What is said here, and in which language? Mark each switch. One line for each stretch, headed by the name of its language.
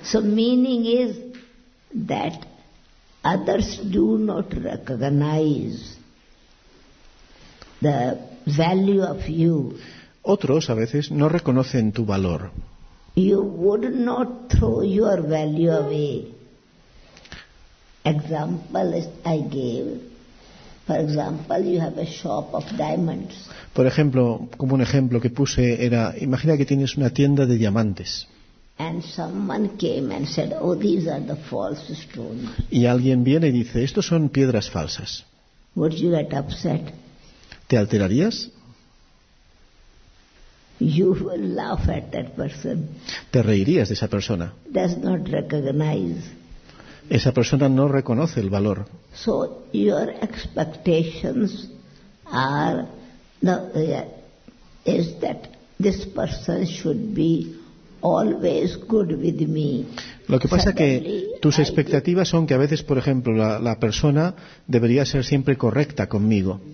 English: So meaning is that others do not recognize the value of you.
Spanish: Otros a veces no reconocen tu valor.
English: You would not throw your value away. Example I gave. For example, you have a shop of diamonds.
Spanish: Por ejemplo, como un ejemplo que puse era, imagina que tienes una tienda de diamantes.
English: And someone came and said, "Oh, these are the false stones."
Spanish: Y alguien viene y dice, "Estos son piedras falsas."
English: Would you get upset?
Spanish: ¿Te alterarías?
English: You will laugh at that person.
Spanish: ¿Te reirías de esa persona?
English: Does not recognize.
Spanish: esa persona no reconoce el valor.
English: So your expectations are the, is that this person should be always good with me.
Spanish: Lo que pasa es que tus expectativas son que a veces, por ejemplo, la persona debería ser siempre correcta conmigo.